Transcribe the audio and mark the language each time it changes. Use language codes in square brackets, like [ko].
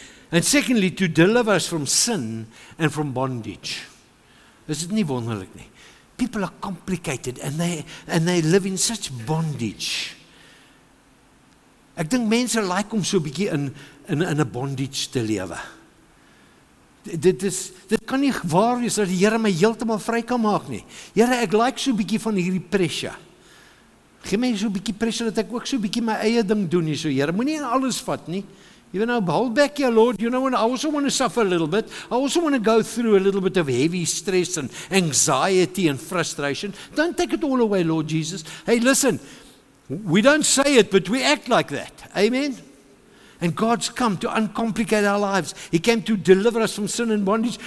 [en] And secondly, to deliver us from sin and from bondage. Is it [af] nie wonderlik nie? [en] People are complicated and they live in such bondage. [af] Ek dink mense like om so 'n bietjie in 'n bondage te lewe. Dit kan nie waar wees dat die Here my heeltemal vry kan maak nie. Here, ek like so 'n bietjie van hierdie pressure. Geef my so 'n bietjie pressure dat ek ook so 'n bietjie my eie ding doen nie, so Here. Moenie alles vat nie. [en] You know, hold back here, Lord. You know, and I also want to suffer a little bit. I also want to go through a little bit of heavy stress and anxiety and frustration. Don't take it all away, Lord Jesus. Hey, listen, we don't say it, but we act like that. Amen? And God's come to uncomplicate our lives. He came to deliver us from sin and bondage.